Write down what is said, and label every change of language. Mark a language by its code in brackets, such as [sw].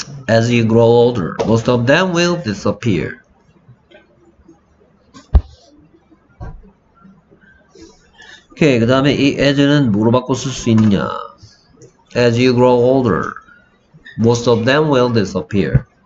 [en] As you grow older, most of them will disappear. [ko] 오케이, 그 다음에 이 as는 뭐로 바꿔 쓸 수 있느냐? [en] As you grow older, most of them will disappear.